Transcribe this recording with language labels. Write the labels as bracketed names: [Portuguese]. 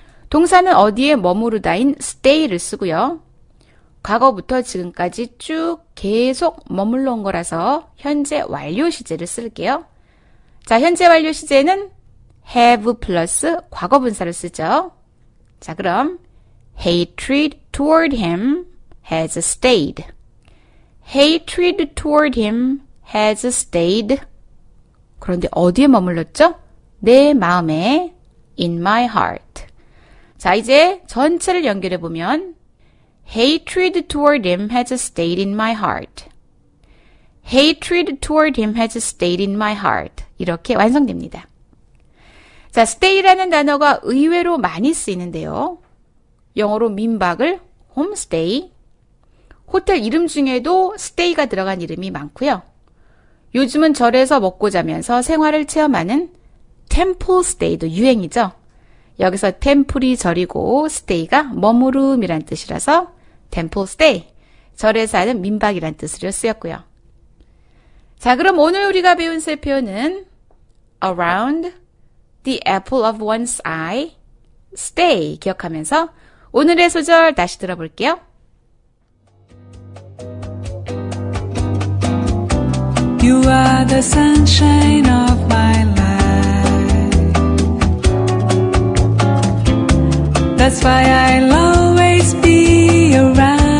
[Korean] 동사는 어디에 머무르다인 stay를 쓰고요. 과거부터 지금까지 쭉 계속 머물러 온 거라서 현재 완료 시제를 쓸게요. 자, 현재 완료 시제는 have 플러스 과거분사를 쓰죠. 자, 그럼 [English] hatred toward him has stayed. hatred toward him has stayed. [Korean] 그런데 어디에 머물렀죠? 내 마음에 [English] in my heart. [Korean] 자, 이제 전체를 연결해 보면 [English] hatred toward him has stayed in my heart. hatred toward him has stayed in my heart. [Korean] 이렇게 완성됩니다. 자, stay라는 단어가 의외로 많이 쓰이는데요. 영어로 민박을 homestay, 호텔 이름 중에도 stay가 들어간 이름이 많고요. 요즘은 절에서 먹고 자면서 생활을 체험하는 temple stay도 유행이죠. 여기서 temple이 절이고 stay가 머무름이란 뜻이라서 temple stay, 절에서 하는 민박이란 뜻으로 쓰였고요. 자, 그럼 오늘 우리가 배운 세 표현은 [English] around the apple of one's eye, [Korean] stay 기억하면서 오늘의 소절 다시 들어볼게요. [English] You are the sunshine of my life. That's why I'll always be around.